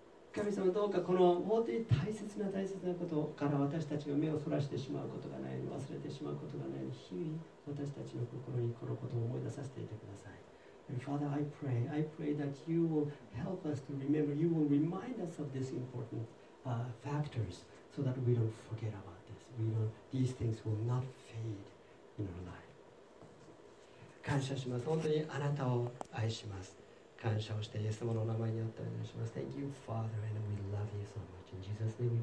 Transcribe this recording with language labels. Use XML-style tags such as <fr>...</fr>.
<ja>神様どうかこの本当に大切な大切なことから私たちが目をそらしてしまうことがないように、忘れてしまうことがないように、日々私たちの心にこのことを思い出させていてください。</ja> <en>And Father, I pray that you will help us to remember, you will remind us of these important factors so that we don't forget about this. These things will not fade in our life.</en> <ja>感謝します。本当にあなたを愛します。感謝をしてイエス様のお名前にあったりします。</ja> <en>Thank you, Father, and we love you so much. In Jesus' name we pray.</en>